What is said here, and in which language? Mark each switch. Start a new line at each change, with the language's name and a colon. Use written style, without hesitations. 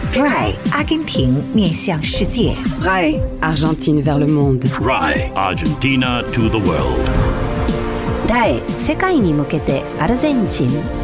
French: RAI, Argentine vers le monde.
English: RAI, Argentina to the world.
Japanese: RAI, 世界に向けて Argentina.